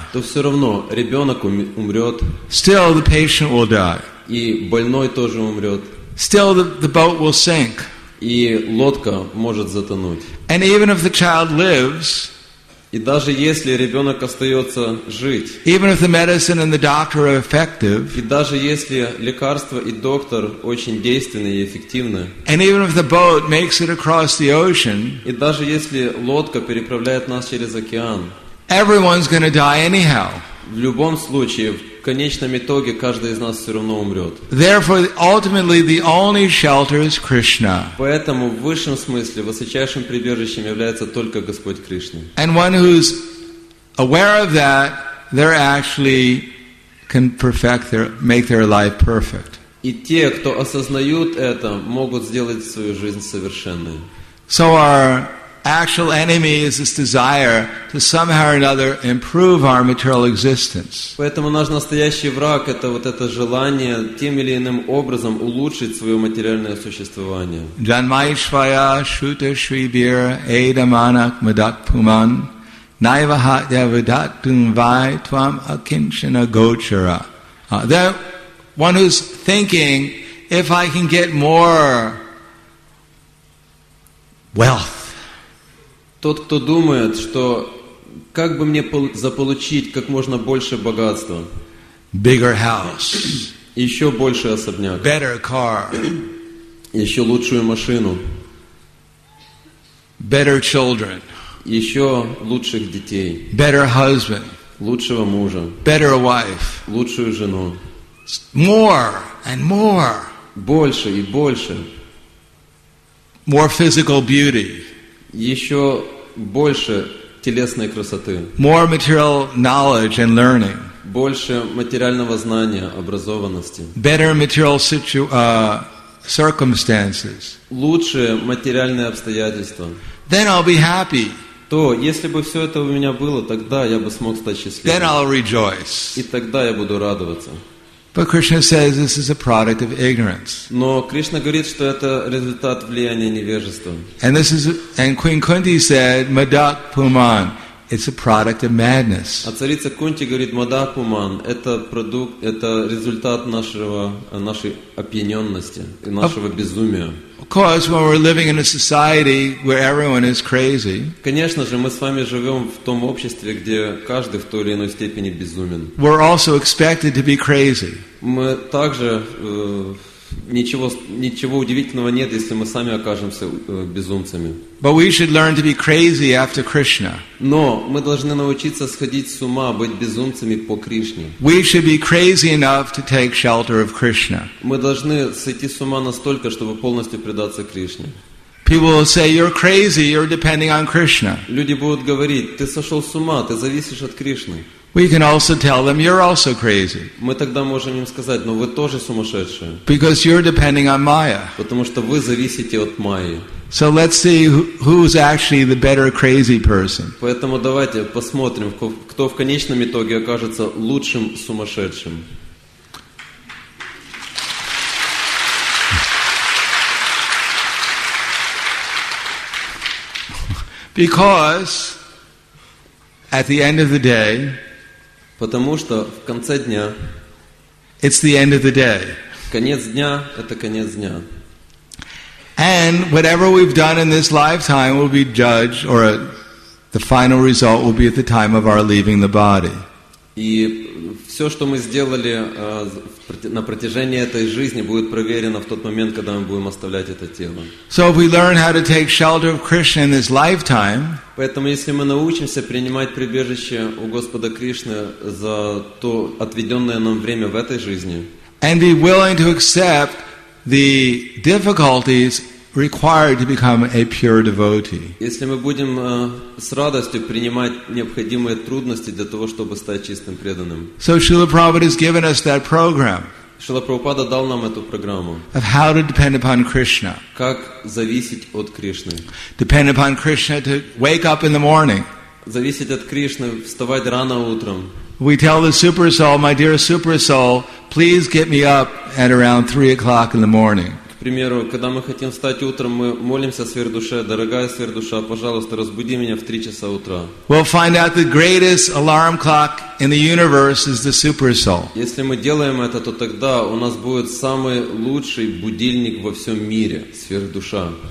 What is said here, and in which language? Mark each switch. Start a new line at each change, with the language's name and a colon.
Russian: То все равно ребенок умрет.
English: Still the patient will die.
Russian: И больной тоже умрет.
English: Still the boat will sink.
Russian: И лодка может затонуть.
English: And even if the child lives,
Russian: и даже если ребенок остается жить,
English: even if the medicine and the doctor are effective,
Russian: и даже если лекарство и доктор очень действенны и эффективны,
English: and even if the boat makes it across the ocean,
Russian: и даже если лодка переправляет нас через океан,
English: everyone's going to die anyhow.
Russian: В любом случае, в конечном итоге каждый из нас все равно умрет.
English: Therefore, ultimately, the only shelter is Krishna.
Russian: Поэтому в высшем смысле высочайшим прибежищем является только Господь Кришна.
English: And one who's aware of that, they actually can perfect their, make their life perfect.
Russian: И те, кто осознают это, могут сделать свою жизнь совершенной.
English: So our actual enemy is this desire to somehow or another improve our material existence.
Russian: Поэтому наш настоящий враг — это вот это желание тем или иным образом улучшить свое материальное существование.
Sanskrit: Janmaishvaya shuta shribir edamanak madakpuman naivahatya vidatum vai tvam akinchana gochara.
English: That one who's thinking, if I can get more wealth,
Russian: тот, кто думает, что как бы мне заполучить как можно больше богатства,
English: bigger house,
Russian: еще больше особняк,
English: better car,
Russian: еще лучшую машину,
English: better children,
Russian: еще лучших детей,
English: better husband,
Russian: лучшего мужа,
English: better wife,
Russian: лучшую жену,
English: more and more,
Russian: больше и больше,
English: more physical beauty,
Russian: еще больше телесной красоты.
English: More material knowledge and learning.
Russian: Больше материального знания, образованности.
English: Better material circumstances.
Russian: Лучше материальные обстоятельства.
English: Then I'll be happy.
Russian: То, если бы все это у меня было, тогда я бы смог стать счастливым.
English: Then I'll rejoice.
Russian: И тогда я буду радоваться.
English: But Krishna says this is a product of ignorance.
Russian: Но Кришна говорит, что это результат влияния невежества.
English: And Queen Kunti said, Madak Puman, it's a product of madness.
Russian: А царица Кунти говорит, Мадак Пуман, это продукт, это результат нашего, нашей опьяненности и нашего безумия.
English: Of course, when we're living in a society where everyone is crazy.
Russian: Конечно же, мы с вами живем в том обществе, где каждый в той или иной степени безумен.
English: We're also expected to be crazy.
Russian: Мы также ничего удивительного нет, если мы сами окажемся безумцами.
English: But we should learn to be crazy after Krishna.
Russian: Но мы должны научиться сходить с ума, быть безумцами по Кришне.
English: We should be crazy enough to take shelter of Krishna.
Russian: Мы должны сойти с ума настолько, чтобы полностью предаться Кришне.
English: People will say, you're crazy, you're depending on Krishna.
Russian: Люди будут говорить, ты сошел с ума, ты зависишь от Кришны.
English: We can also tell them, you're also crazy.
Russian: Мы тогда можем им сказать, но вы тоже сумасшедшие.
English: Because you're depending on Maya.
Russian: Потому что вы зависите от Майи.
English: So let's see who's actually the better crazy person.
Russian: Поэтому давайте посмотрим, кто в конечном итоге окажется лучшим сумасшедшим.
English: Because at the end of the day,
Russian: потому что в конце дня,
English: it's the end of the day.
Russian: Конец дня — это конец дня.
English: And whatever we've done in this lifetime will be judged, or the final result will be at the time of our leaving the body.
Russian: И все, что мы сделали на протяжении этой жизни, будет проверено в тот момент, когда мы будем оставлять это тело.
English: So if we learn how to take shelter of Krishna in this lifetime,
Russian: поэтому если мы научимся принимать прибежище у Господа Кришны за то отведенное нам время в этой жизни,
English: and be willing to accept the difficulties required to become a pure devotee.
Russian: Если мы будем с радостью принимать необходимые трудности для того, чтобы стать чистым преданным.
English: So Srila Prabhupada has given us that program.
Russian: Srila Prabhupada дал нам эту программу.
English: Of how to depend upon Krishna.
Russian: Как зависеть от Кришны.
English: Depend upon Krishna to wake up in the morning.
Russian: Зависеть от Кришны, вставать рано утром.
English: We tell the super soul, my dear super soul, please get me up at around 3 o'clock in the morning.
Russian: К примеру, когда мы хотим встать утром, мы молимся сверхдуше, дорогая сверхдуша, пожалуйста, разбуди меня в 3 часа утра.
English: We'll find out the greatest alarm clock in the universe is the super soul.
Russian: Если мы делаем это, то тогда у нас будет самый лучший будильник во всем мире, сверхдуша.